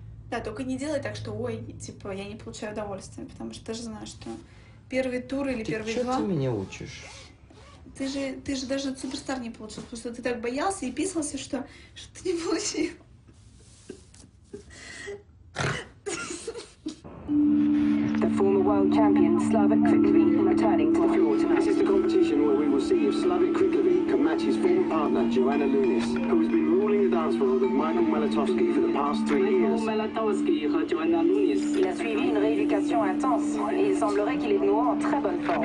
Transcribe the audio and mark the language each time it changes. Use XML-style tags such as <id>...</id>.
<ru>Да, только не делай так, что ой, типа, я не получаю удовольствие, потому что ты же знаешь, что первый тур или ты первый два... Ты что меня учишь? Ты же даже суперстар не получил, потому что ты так боялся и писался, что ты не получил.</ru> <en>The former world champion Slavik Kriklevi returning to the floor tonight. This is the competition where we will see if Slavik Kriklevi can match his former partner Joanna Lunis, who has been ruling the dance floor with Michael Melotowski for the past 3 years. Michael Melotowski and Joanna Lunis.</en> <fr>Il a suivi une rééducation intense et il semblerait qu'il est de nouveau en très bonne forme.</fr>